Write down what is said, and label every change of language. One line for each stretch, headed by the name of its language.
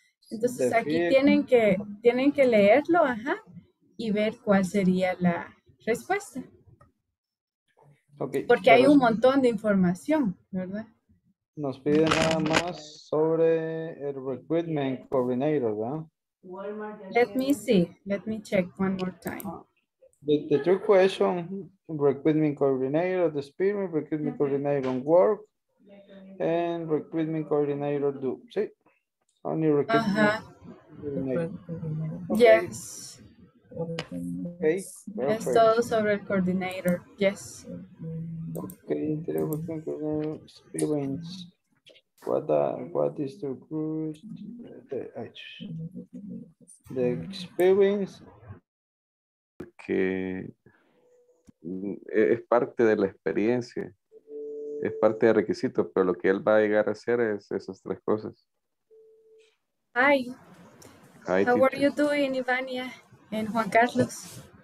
Spanish: Entonces the aquí tienen que leerlo, y ver cuál sería la respuesta. Okay, porque hay un montón de información, ¿verdad? Nos pide nada más sobre el recruitment coordinator, ¿verdad?
English: Let me see. Let me check one more time. The two question, recruitment coordinator, the experience, recruitment coordinator work, and recruitment coordinator do. Sí. Only recruitment. Coordinator. Okay. Yes. Okay.
Spanish: Es todo sobre el coordinator. Yes.
English: Okay. The recruitment coordinator experience. What is the first, the experience?
Spanish: Que es parte de la experiencia, es parte de requisito, pero lo que él va a llegar a hacer es esas tres cosas.
English: Hi. Hi, how are you doing, Ivania and Juan Carlos?